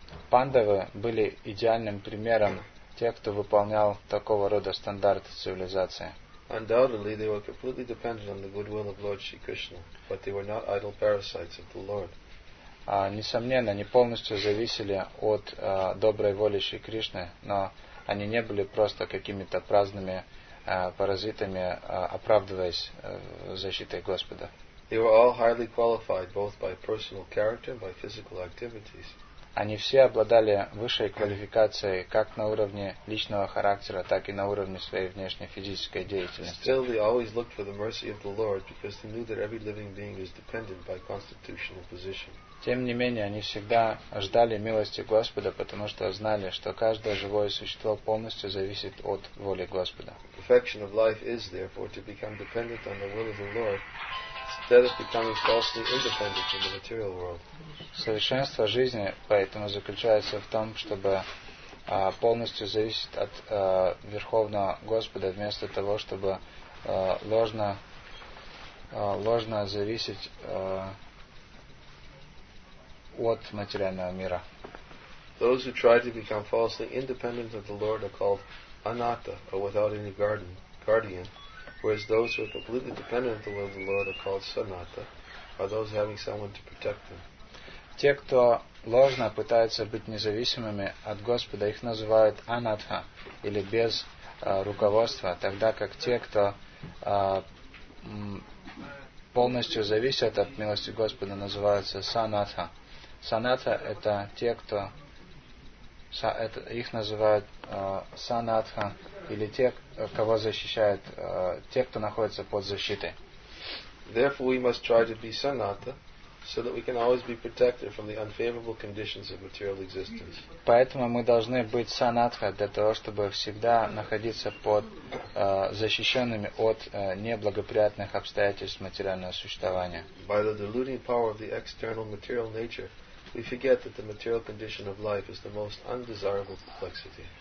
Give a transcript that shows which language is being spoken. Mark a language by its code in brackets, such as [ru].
[ru] Пандавы были идеальным примером тех, кто выполнял такого рода стандарты цивилизации. [en] Undoubtedly, they were completely dependent on the goodwill of Lord Shri Krishna, but they were not idle parasites of the Lord. [ru] Несомненно, они полностью зависели от доброй воли Шри Кришны, но они не были просто какими-то праздными паразитами, оправдываясь защитой Господа. [en] They were all highly qualified, both by personal character and by physical activities. [ru] они все обладали высшей квалификацией как на уровне личного характера, так и на уровне своей внешней физической деятельности. [en] Still, they always looked for the mercy of the Lord because they knew that every living being is dependent by constitutional position. [ru] Тем не менее, они всегда ждали милости Господа, потому что знали, что каждое живое существо полностью зависит от воли Господа. [en] Perfection of life is, therefore, to become dependent on the will of the Lord instead of becoming falsely independent from the material world. [ru] Совершенство жизни поэтому заключается в том, чтобы полностью зависеть от Верховного Господа вместо того, чтобы ложно зависеть от материального мира. [en] Those who try to become falsely independent of the Lord are called anatta, or without any guardian, whereas those who are completely dependent on the Lord are called sanatta, or those having someone to protect them. [ru] Те, кто ложно пытается быть независимыми от Господа, их называют анатха, или без руководства, тогда как те, кто полностью зависят от милости Господа, называются санатха. Санатха — это те, кто... их называют санатха, или те, кого защищают, те, кто находится под защитой. [en] Therefore, we must try to be sanatha, so that we can always be protected from the unfavorable conditions of material existence. [ru] Поэтому мы должны быть санатха для того, чтобы всегда находиться под защищенными от неблагоприятных обстоятельств материального существования. [en] By the deluding power of the external material nature, we forget that the material condition of life is the most undesirable complexity.